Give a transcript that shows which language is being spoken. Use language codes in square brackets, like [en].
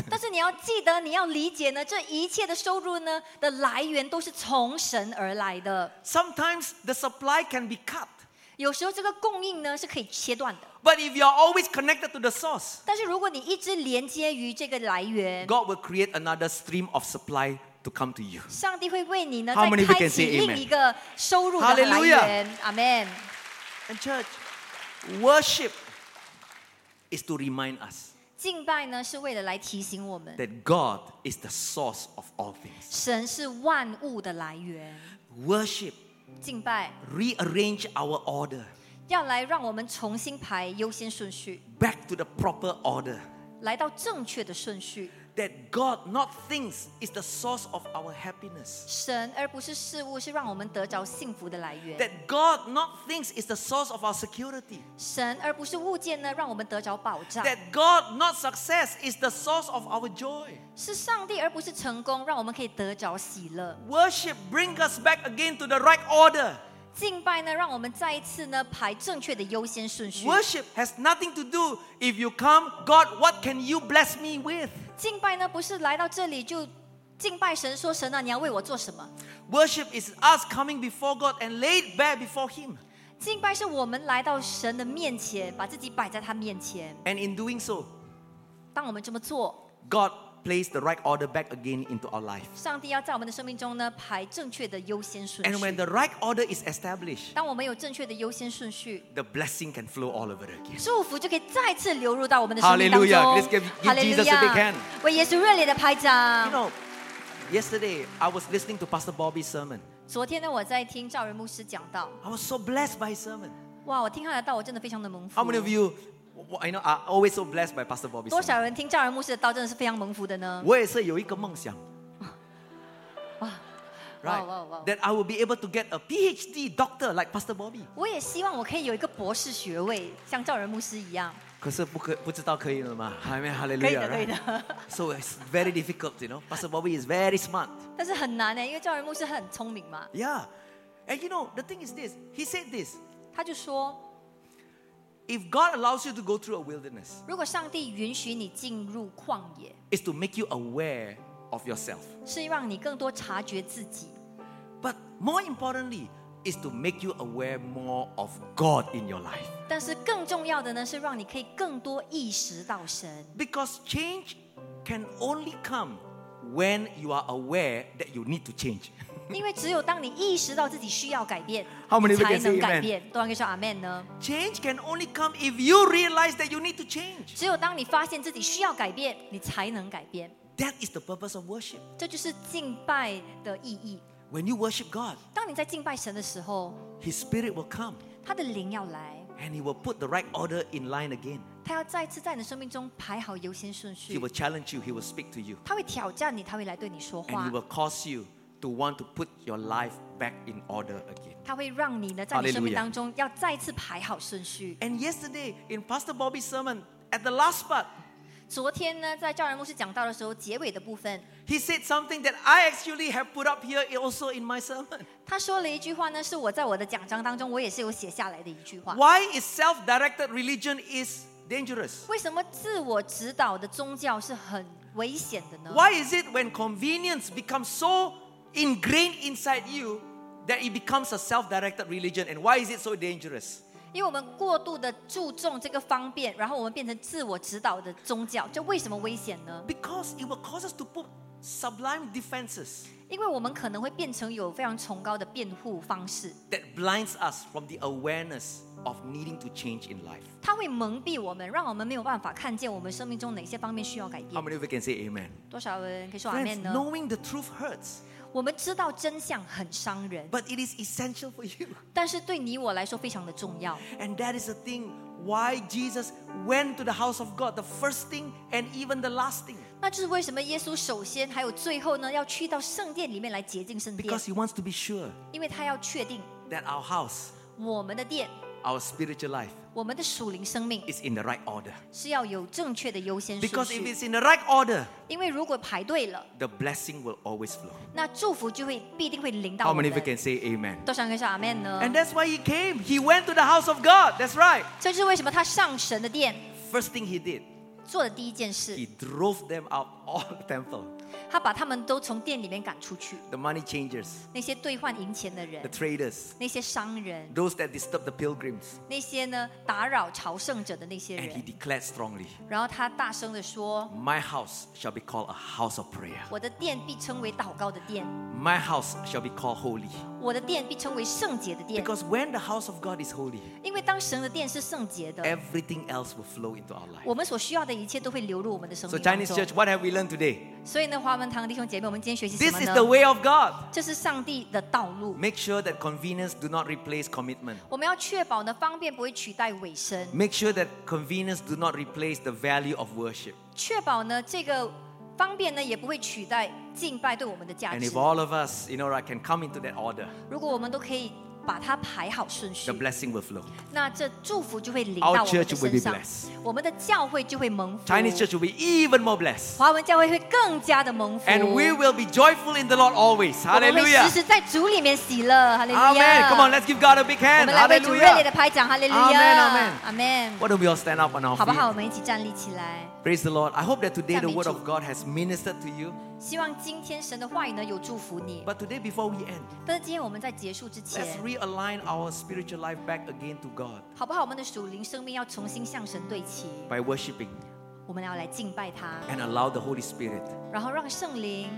[zh] 但是你要记得，你要理解呢，这一切的收入呢的来源都是从神而来的。 [en] Sometimes the supply can be cut. [zh] 有时候这个供应呢是可以切断的。 [en] But if you are always connected to the source, [zh] 但是如果你一直连接于这个来源， [en] God will create another stream of supply to come to you. [zh] 上帝会为你呢，再开启另一个收入的来源。 [en] Amen. And church, worship is to remind us. [zh] 敬拜呢，是为了来提醒我们 [en] that God is the source of all things. [zh] 神是万物的来源。 [en] Worship, [zh] 敬拜 [en] rearrange our order. [zh] 要来让我们重新排优先顺序 [en] back to the proper order [zh] 来到正确的顺序 [en] that God not things is the source of our happiness [zh] 神而不是事物是让我们得着幸福的来源 [en] that God not things is the source of our security [zh] 神而不是物件呢让我们得着保障 [en] that God not success is the source of our joy [zh] 是上帝而不是成功让我们可以得着喜乐 [en] worship bring us back again to the right order [zh] 敬拜呢，让我们再一次呢排正确的优先顺序。 [en] Worship has nothing to do if you come, God, what can you bless me with? [zh] 敬拜呢，不是来到这里就敬拜神，说神啊，你要为我做什么？ [en] Worship is us coming before God and laid bare before Him. [zh] 敬拜是我们来到神的面前，把自己摆在他面前。 [en] And in doing so, [zh] 当我们这么做 [en] ，God place the right order back again into our life. [zh] 上帝要在我们的生命中呢排正确的优先顺序。 [en] And when the right order is established, [zh] 当我们有正确的优先顺序 [en] the blessing can flow all over again. [zh] 祝福就可以再次流入到我们的生命当中。 [en] Hallelujah! Let's give Jesus a big hand. [zh] 为耶稣热烈的拍掌。 [en] You know, yesterday I was listening to Pastor Bobby's sermon. [zh] 昨天呢我在听赵仁牧师讲道。 [en] I was so blessed by his sermon. [zh] 哇，我听他的道，我真的非常的蒙福。 [en] How many of you? I know, I'm always so blessed by Pastor Bobby. [zh] 多少人听赵仁牧师的道真的是非常蒙福的呢？我也是有一个梦想。哇，哇哇哇 [en] ！That I will be able to get a PhD doctor like Pastor Bobby. [zh] 我也希望我可以有一个博士学位，像赵仁牧师一样。可是不知道可以了吗？还没 Hallelujah. 可以的，可以的。 [en] So it's very difficult, you know. Pastor Bobby is very smart. [zh] 但是很难呢，因为赵仁牧师很聪明嘛。 [en] Yeah, and you know the thing is this. He said this. [zh] 他就说。 [en] If God allows you to go through a wilderness, [zh] 如果上帝允许你进入旷野 [en] is to make you aware of yourself, [zh] 是让你更多察觉自己 [en] But more importantly, is to make you aware more of God in your life. [zh] 但是更重要的呢，是让你可以更多意识到神 [en] Because change can only come when you are aware that you need to change. [zh] 因为只有当你意识到自己需要改变 [en] How many [zh] 才能改变多少人说 Amen 呢 [en] Change can only come if you realize that you need to change [zh] 只有当你发现自己需要改变你才能改变 [en] That is the purpose of worship [zh] 这就是敬拜的意义 [en] When you worship God [zh] 当你在敬拜神的时候 [en] His spirit will come [zh] 他的灵要来 [en] And he will put the right order in line again [zh] 他要再次在你的生命中排好优先顺序 [en] He will challenge you, he will speak to you [zh] 他会挑战你他会来对你说话 [en] And he will cause youto want to put your life back in order again. [zh] 他会让你呢在你生命当中要再次排好顺序。 [en] And yesterday in Pastor Bobby's sermon at the last part, [zh] 昨天呢在赵仁牧师讲到的时候结尾的部分 [en] he said something that I actually have put up here also in my sermon. [zh] 他说了一句话呢是我在我的讲章当中我也是有写下来的一句话。 [en] Why is self-directed religion is dangerous? [zh] 为什么自我指导的宗教是很危险的呢？ [en] Why is it when convenience becomes so ingrained inside you that it becomes a self-directed religion and why is it so dangerous? [zh] 因为我们过度的注重这个方便，然后我们变成自我指导的宗教，这为什么危险呢？ [en] Because it will cause us to put sublime defenses， [zh] 因为我们可能会变成有非常崇高的辩护方式。 [en] That blinds us from the awareness of needing to change in life， [zh] 它会蒙蔽我们，让我们没有办法看见我们生命中哪些方面需要改变。 [en] How many of you can say amen？ [zh] 多少人可以说 amen 呢？ [en] Friends， knowing the truth hurts。 [zh] 我们知道真相很伤人， [en] but it is essential for you， [zh] 但是对你我来说非常的重要。 [en] And that is the thing why Jesus went to the house of God, the first thing and even the last thing。 [zh] 那就是为什么耶稣首先还有最后呢要去到圣殿里面来洁净圣殿。 [en] Because he wants to be sure， [zh] 因为他要确定 [en] that our house， [zh] 我们的殿， [en] our spiritual life， [zh] 我们的属灵生命 [en] is in the right order， [zh] 是要有正确的优先顺序。 [en] Because if it's in the right order， [zh] 因为如果排对了， [en] the blessing will always flow， [zh] 那祝福就会必定会临到我 [en] 们。 How many of you can say amen？ [zh] 多少人说 amen 呢？ [en] And that's why he came， he went to the house of God， that's right， [zh] 这是为什么他上神的殿。 [en] First thing he did， [zh] 做的第一件事， [en] he drove them out of the temple， [zh] 他把他们都从殿里面赶出去。 [en] The money changers， [zh] 那些兑换银钱的人。 [en] The traders， [zh] 那些商人。 [en] Those that disturb the pilgrims， [zh] 那些呢打扰朝圣者的那些人。 [en] And he declared strongly， [zh] 然后他大声地说， [en] My house shall be called a house of prayer， [zh] 我的殿必称为祷告的殿。 [en] My house shall be called holy， [zh] 我的殿必称为圣洁的殿。 [en] Because when the house of God is holy， [zh] 因为当神的殿是圣洁的， [en] Everything else will flow into our life， [zh] 我们所需要的一切都会流入我们的生命 [en] 中。 So Chinese church， what have we learned today？ [zh] 所以呢华文堂弟兄姐妹，我们今天学习什么呢？ [en] This is the way of God， [zh] 这是上帝的道路。 [en] Make sure that convenience do not replace commitment， [zh] 我们要确保呢方便不会取代委身。 [en] Make sure that convenience do not replace the value of worship， [zh] 确保呢这个方便呢也不会取代敬拜对我们的价值。 [en] And if all of us you know can come into that order， [zh] 如果我们都可以把它排好顺序， [en] the blessing will flow， [zh] 那这祝福就会临到我们的身上。 [en] Our church will be blessed， [zh] 我们的教会就会蒙福。 [en] Chinese church will be even more blessed， [zh] 华文教会会更加的蒙福。 [en] And we will be joyful in the Lord always， Hallelujah， [zh] 我们会时时在主里面喜乐。 [en] Hallelujah， Amen， Come on let's give God a big hand， [zh] 我们来为主热烈的拍掌。 [en] Hallelujah， Amen， Amen， Why don't we all stand up on our feet， [zh] 好不好，我们一起站立起来。 [en] Praise the Lord， I hope that today the word of God has ministered to you， [zh] 希望今天神的话语呢有祝福你。 [en] But today before we end， [zh] 但是今天我们在结束之前， [en] let's realign our spiritual life back again to God， [zh] 好不好，我们的属灵生命要重新向神对齐。 [en] By worshiping， [zh] 我们要来敬拜他。 [en] And allow the Holy Spirit， [zh] 然后让圣灵，